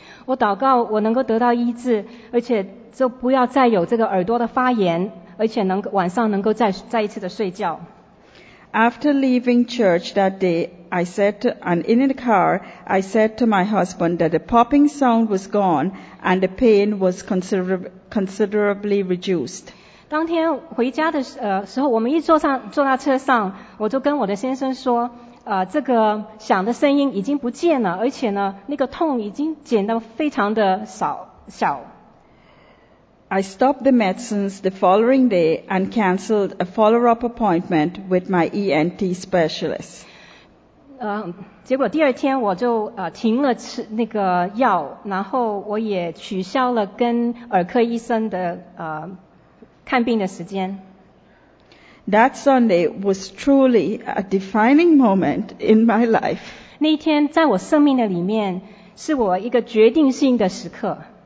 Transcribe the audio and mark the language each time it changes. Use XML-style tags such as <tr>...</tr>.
<zh>我祷告我能够得到医治，而且就不要再有这个耳朵的发炎，而且能晚上能够再一次的睡觉。</zh> <en>After leaving church that day, I said to my husband that the popping sound was gone and the pain was considerably reduced.</en> <zh>当天回家的时候，我们一坐到车上，我就跟我的先生说，这个响的声音已经不见了，而且呢，那个痛已经减到非常的小。</zh> <en>I stopped the medicines the following day and cancelled a follow-up appointment with my ENT specialist.</en> <zh>结果第二天我就停了吃那个药，然后我也取消了跟耳科医生的看病的时间。</zh> <en>That Sunday was truly a defining moment in my life.</en> <zh>那一天在我生命的里面是我一个决定性的时刻。</zh>